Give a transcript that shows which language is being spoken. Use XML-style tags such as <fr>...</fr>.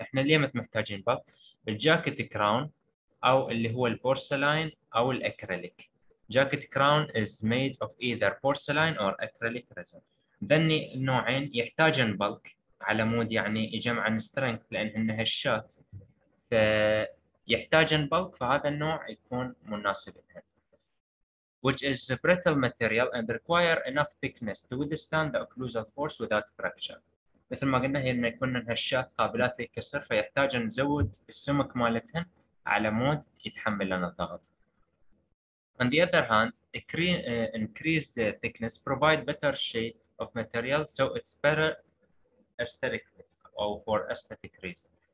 <ar>احنا ليه ما محتاجين bulk؟ الجاكيت كراون أو اللي هو البورسلين أو الأكريليك.</ar> <en>Jacket crown is made of either porcelain or acrylic resin.</en> <ar>ذني النوعين يحتاجن bulk على مود يعني يجمعن strength لأنهن هشات، فيحتاجن bulk، فهذا النوع يكون مناسب لها.</ar> <en>Which is a brittle material and require enough thickness to withstand the occlusal force without fracture.</en> <ar>مثل ما قلنا هي إن يكون هشات قابلات للكسر، فيحتاج نزود السمك مالتهن على مود يتحمل لنا الضغط.</ar> <en>On the other hand, increased thickness provide better shape of material, so it's better aesthetically or for aesthetic reasons.</en>